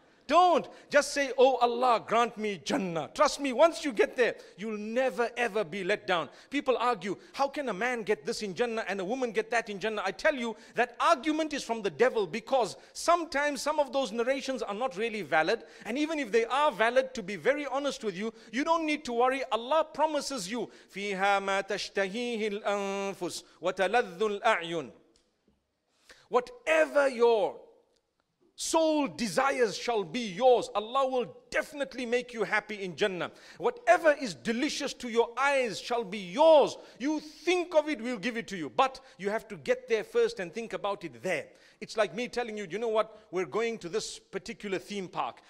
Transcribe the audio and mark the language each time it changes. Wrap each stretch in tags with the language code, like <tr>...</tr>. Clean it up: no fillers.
<en>Don't just say, oh Allah, grant me Jannah. Trust me, once you get there, you'll never ever be let down. People argue, how can a man get this in Jannah and a woman get that in Jannah? I tell you, that argument is from the devil, because sometimes some of those narrations are not really valid. And even if they are valid, to be very honest with you, you don't need to worry. Allah promises you,</en> <ar>فِيهَا مَا تَشْتَهِيهِ الْأَنفُسِ وَتَلَذُّ الْأَعْيُنِ.</ar> <en>Whatever your Soul desires shall be yours. Allah will definitely make you happy in Jannah. Whatever is delicious to your eyes shall be yours. You think of it, we'll give it to you. But you have to get there first and think about it there. It's like me telling you, you know what? We're going to this particular theme park.</en>